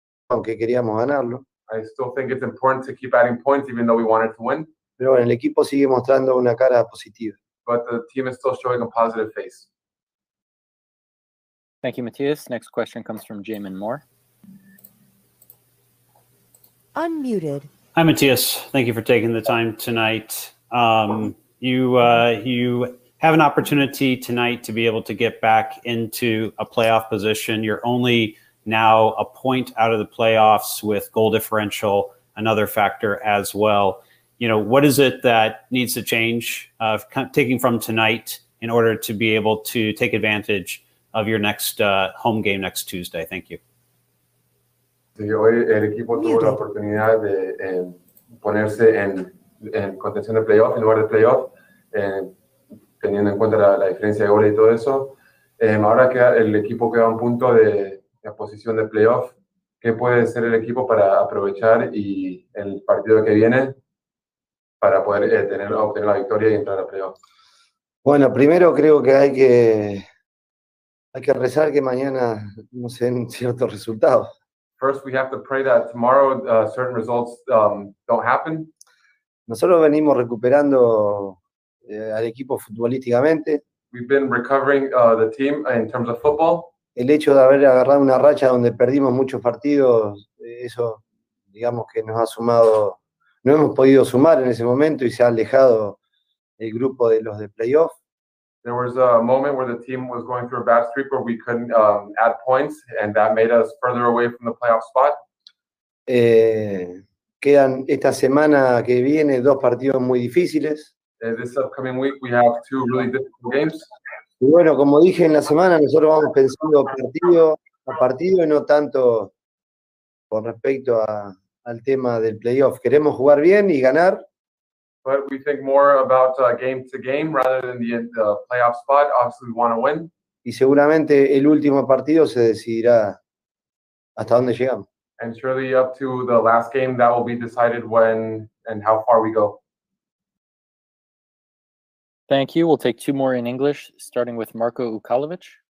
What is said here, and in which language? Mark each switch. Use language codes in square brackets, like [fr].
[es] Aunque queríamos ganarlo. [en] I still think it's important to keep adding points, even though we wanted to win. [es] Pero bueno, el equipo sigue mostrando una cara positiva. [en] But the team is still showing a positive face. Thank you, Matias. Next question comes from Jamon Moore. Unmuted. Hi, Matias. Thank you for taking the time tonight. You have an opportunity tonight to be able to get back into a playoff position. You're only now a point out of the playoffs with goal differential, another factor as well. You know, what is it that needs to change, taking from tonight in order to be able to take advantage of your next home game next Tuesday? Thank you. [es] Sí, hoy el equipo tuvo la oportunidad de ponerse en contención de playoff, en lugar de playoff, teniendo en cuenta la diferencia de goles y todo eso. Ahora queda, el equipo queda un punto de la posición de playoff, ¿qué puede ser el equipo para aprovechar y el partido que viene para poder obtener la victoria y entrar a playoff? Bueno, primero creo que hay que Hay que rezar que mañana nos den ciertos resultados. [en] First, we have to pray that tomorrow certain results don't happen. [es] Nosotros venimos recuperando al equipo futbolísticamente. [en] We've been recovering the team in terms of football. [es] El hecho de haber agarrado una racha donde perdimos muchos partidos, eso, digamos que nos ha sumado, no hemos podido sumar en ese momento y se ha alejado el grupo de los de playoff. [en] There was a moment where the team was going through a bad streak where we couldn't add points, and that made us further away from the playoff spot. [es] Quedan esta semana que viene dos partidos muy difíciles. [en] This upcoming week we have two really difficult games. [es] Y bueno, como dije en la semana, nosotros vamos pensando partido a partido y no tanto con respecto al tema del playoff. Queremos jugar bien y ganar. [en] But we think more about game to game rather than the playoff spot. Obviously, we want to win. [es] Y seguramente el último partido se decidirá hasta dónde llegamos. [en] And surely up to the last game, that will be decided when and how far we go. Thank you. We'll take two more in English, starting with Marco Ukalovic.